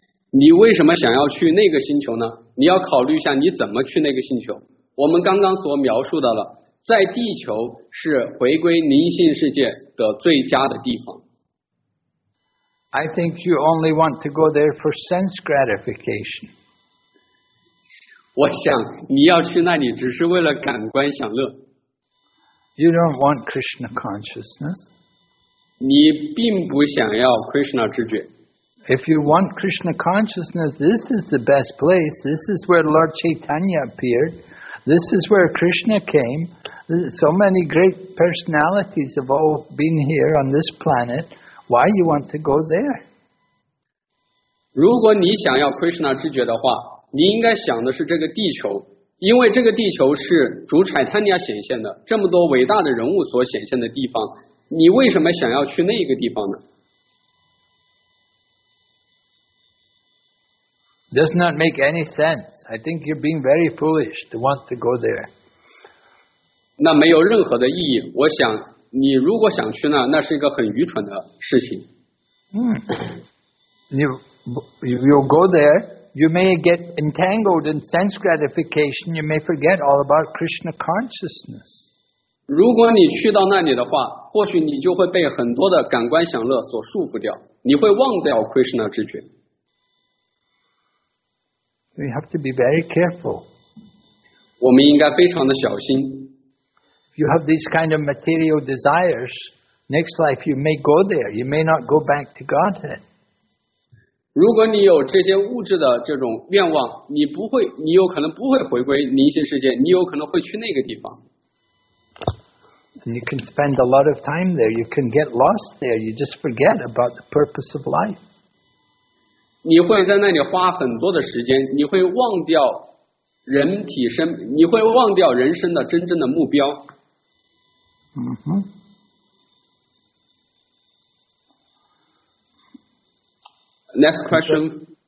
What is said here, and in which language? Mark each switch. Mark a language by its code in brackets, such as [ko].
[zh] 你为什么想要去那个星球呢？你要考虑一下你怎么去那个星球。我们刚刚所描述的了，在地球是回归灵性世界的最佳的地方。 [en] I think you only want to go there for sense gratification. [zh] 我想你要去那里只是为了感官享乐。 [en] You don't want Krishna consciousness. [zh] 你并不想要 Krishna 知觉。 [en] If you want Krishna consciousness, this is the best place. This is where Lord Chaitanya appeared. This is where Krishna came. So many great personalities have all been here on this planet. Why you want to go there? [zh] 如果你想要 Krishna 知觉的话，你应该想的是这个地球，因为这个地球是主 Chaitanya 显现的，这么多伟大的人物所显现的地方，你为什么想要去那个地方呢？ [en] Does not make any sense. I think you're being very foolish to want to go there. [zh] 那没有任何的意义。我想你如果想去那，那是一个很愚蠢的事情。 [en] You'll go there. You may get entangled in sense gratification. You may forget all about Krishna consciousness. [zh] 如果你去到那里的话，或许你就会被很多的感官享乐所束缚掉，你会忘掉 Krishna 知觉。 [en] We have to be very careful. [zh] 我们应该非常的小心。 [en] you have these kind of material desires, next life you may go there, you may not go back to Godhead. [zh] 如果你有这些物质的这种愿望，你不会，你有可能不会回归灵性世界，你有可能会去那个地方。 [en] And you can spend a lot of time there. You can get lost there. You just forget about the purpose of life. [zh] 你会在那里花很多的时间，你会忘掉人体生，你会忘掉人生的真正的目标。 [en] Next question.